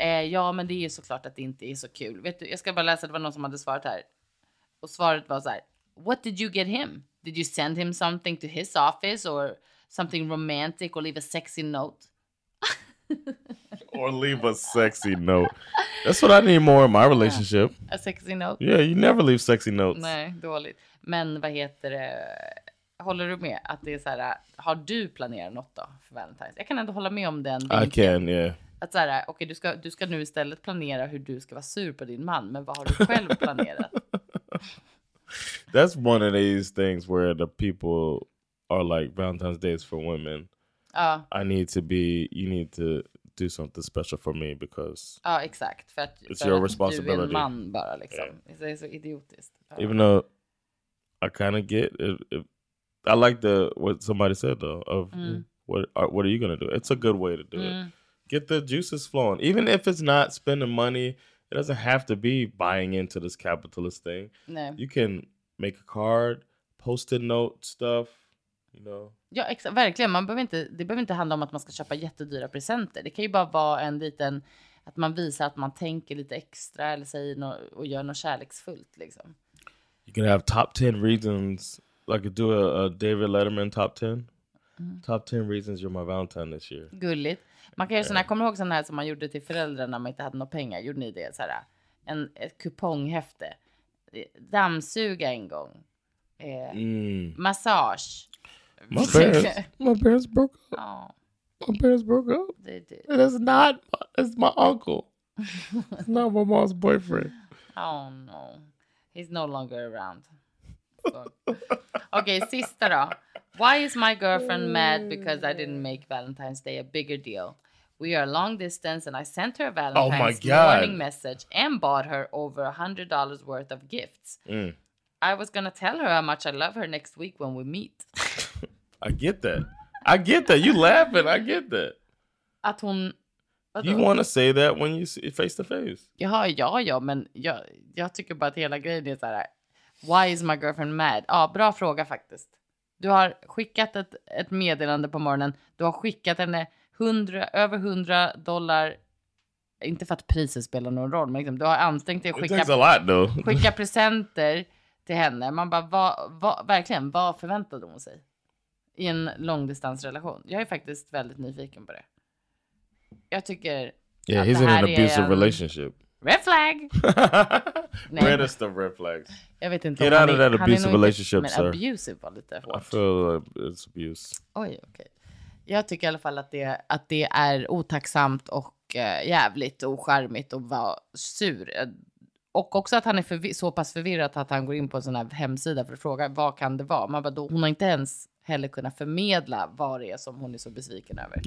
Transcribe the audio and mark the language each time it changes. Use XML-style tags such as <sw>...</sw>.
<sv>Ja, men det är ju såklart att det inte är så kul. Vet du, jag ska bara läsa, det var någon som hade svarat här. Och svaret var så här:</sv> <en>what did you get him? Did you send him something to his office or something romantic or leave a sexy note? Or leave a sexy note. That's what I need more in my relationship. A sexy note? Yeah, you never leave sexy notes.</en> <sv>Nej, dåligt. Men vad heter det? Håller du med att det är så här, har du planerat något då för Valentine's? Jag kan ändå hålla med om den.</sv> <en>I can, yeah.</en> <sv>Att så här, okej, du ska nu istället planera hur du ska vara sur på din man, men vad har du själv planerat?</sv> <en>That's one of these things where the people are like, Valentine's Day is for women. I need to be, you need to do something special for me because...</en> <sv>Ja, exakt. För att,</sv> <en>it's</en> <sv>för</sv> <en>your</en> <sv>att</sv> <en>responsibility.</en> <sv>Du är en man bara, liksom. Yeah. Det är så idiotiskt.</sv> <en>Even though I kind of get... I like what somebody said, though, of what are you going to do? It's a good way to do it. Get the juices flowing. Even if it's not spending money, it doesn't have to be buying into this capitalist thing.</en> <sv>Nej.</sv> <en>You can make a card, post-it note stuff, you know.</en> <sv>Ja, verkligen. Det behöver inte handla om att man ska köpa jättedyra presenter. Det kan ju bara vara en liten, att man visar att man tänker lite extra eller säger och gör något kärleksfullt, liksom.</sv> <en>You can have top 10 reasons, like do a David Letterman top 10. Mm. Top 10 reasons you're my Valentine this year.</en> <sv>Gulligt. Man kan göra sådana här, kommer ihåg sådana här som man gjorde till föräldrarna när man inte hade några pengar? Gjorde ni det så här? Ett kuponghäfte. Dammsuga en gång. Massage.</sv> <en>My parents broke up. My parents broke up. They did. And it's my uncle. It's not my mom's boyfriend. Oh no. He's no longer around. Okay,</en> <sv>sista då.</sv> <en>Why is my girlfriend mad because I didn't make Valentine's Day a bigger deal? We are long distance and I sent her a Valentine's morning message and bought her over $100 worth of gifts. Mm. I was gonna tell her how much I love her next week when we meet. I get that. You laughing. I get that.</en> <sv>Att hon...</sv> <en>You want to say that when you see face to face?</en> <sv>Ja, men jag tycker bara att hela grejen är så här.</sv> <en>Why is my girlfriend mad?</en> <sv>Ja, bra fråga faktiskt. Du har skickat ett meddelande på morgonen. Du har skickat henne över $100. Inte för att priset spelar någon roll. Men liksom, du har ansträngt dig att skicka presenter till henne. Man bara, vad förväntade hon sig? I en långdistansrelation. Jag är faktiskt väldigt nyfiken på det. Jag tycker...</sv> <en>Yeah, he's in an abusive relationship. Red flag! Red is the red flags.</en> <sv>Jag vet inte.</sv> <en>Get out of that abusive relationship, sir.</en> <sv>Men abusive var lite hårt.</sv> <en>I feel like it's abuse.</en> <sv>Oj, okej. Jag tycker i alla fall att det är otacksamt och jävligt oskärmigt och vara sur. Och också att han är så pass förvirrad att han går in på en sån här hemsida för att fråga vad kan det vara? Man bara, då, hon har inte ens heller kunnat förmedla vad det är som hon är så besviken över.</sv>